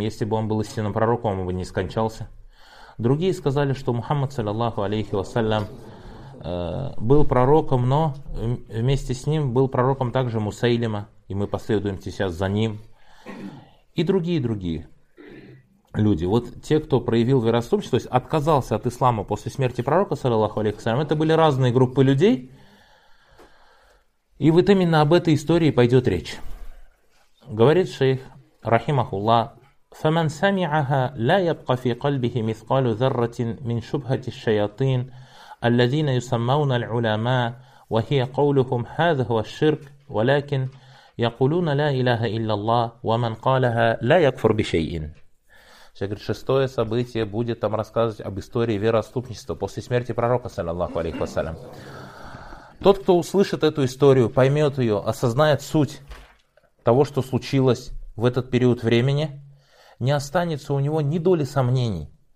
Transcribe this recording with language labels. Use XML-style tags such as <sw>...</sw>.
<ru>Если бы он был истинным пророком, он бы не скончался. Другие сказали, что Мухаммад, саллаллаху алейхи вассалям, был пророком, но вместе с ним был пророком также Мусайлима, и мы последуем сейчас за ним. И другие люди. Вот те, кто проявил вероотступничество, то есть отказался от ислама после смерти пророка, саллаллаху алейхи вассалям, это были разные группы людей. И вот именно об этой истории пойдет речь. Говорит шейх, рахимахуллах,</ru> <ar>فَمَنْ سَمِعَهَا لَا يَبْقَ فِي قَلْبِهِ مِثْقَالُ ذَرَّةٍ مِنْ شُبْهَةِ الشَّيَاطِينَ الَّذِينَ يُسَمَّوْنَ الْعُلَمَاء وَهِيَ قَوْلُهُمْ هَذَا هُوَ الشِّرْكُ وَلَكِنْ يَقُولُونَ لَا إِلَهَ إِلَّا اللَّهُ وَمَنْ قَالَهَا لَا يَكْفُرْ بِشَيْءٍ.</ar> <ru>Говорит, шестое событие будет там рассказывать об истории вероотступничества после смерти пророка, саллаллаху алейхи вассалям. Тот, кто услышит эту историю, поймет ее, осознает суть того, что случилось в этот период времени, не останется у него ни доли сомнений.</ru>